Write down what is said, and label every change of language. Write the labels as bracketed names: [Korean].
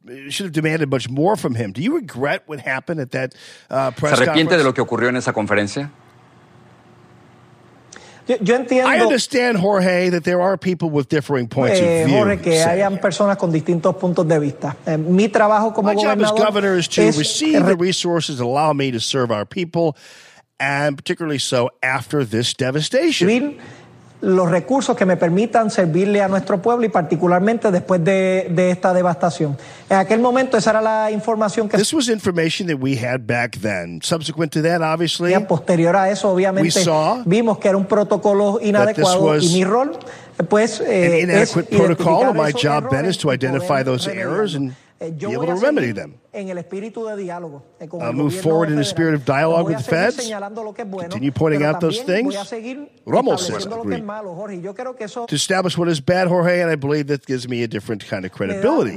[English] Should have demanded much more from him. Do you regret what happened at that press conference? [Spanish] ¿Se arrepiente de lo que ocurrió en esa conferencia? Yo entiendo. [English] I understand, Jorge, that there are people with differing points of view. [Spanish] Jorge, que hay personas con distintos puntos de vista. Mi trabajo como gobernador. [English] My job as governor is to receive the resources that allow me to serve our people, and particularly so after this devastation. [Spanish] Los recursos que me permitan servirle a nuestro pueblo y particularmente después de esta devastación. En aquel momento esa era la información que [English] This was information that we had back then. Subsequent to that, obviously. [Spanish] Y posterior a eso, obviamente, vimos que era un protocolo inadecuado y mi rol pues [English] es to identify those errors and be able to remedy them. Move forward in a spirit of dialogue with the feds. Continue pointing out those things. Rommel says, agreed. To establish what is bad, Jorge, and I believe that gives me a different kind of credibility.